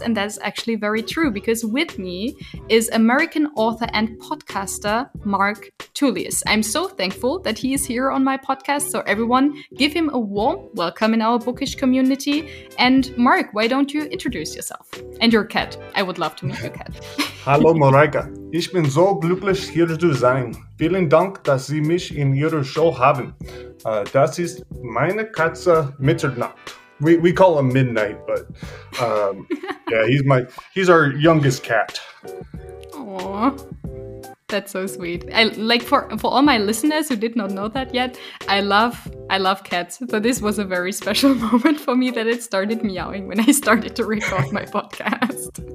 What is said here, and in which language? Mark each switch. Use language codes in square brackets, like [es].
[en] And that's actually very true, because with me is American author and podcaster Mark Tullius. I'm so thankful that he is here on my podcast. So everyone, give him a warm welcome in our bookish community. And Mark, why don't you introduce yourself and your cat? I would love to meet your cat. [de] Hallo, Mareike. Ich bin so glücklich, hier zu sein. Vielen Dank, dass Sie mich in Ihrer Show haben. Das ist meine Katze Mitternacht. [en] We call him Midnight, but yeah, he's our youngest cat. Aww. That's so sweet. I like for all my listeners who did not know that yet, I love cats. So this was a very special moment for me that it started meowing when I started to record my podcast.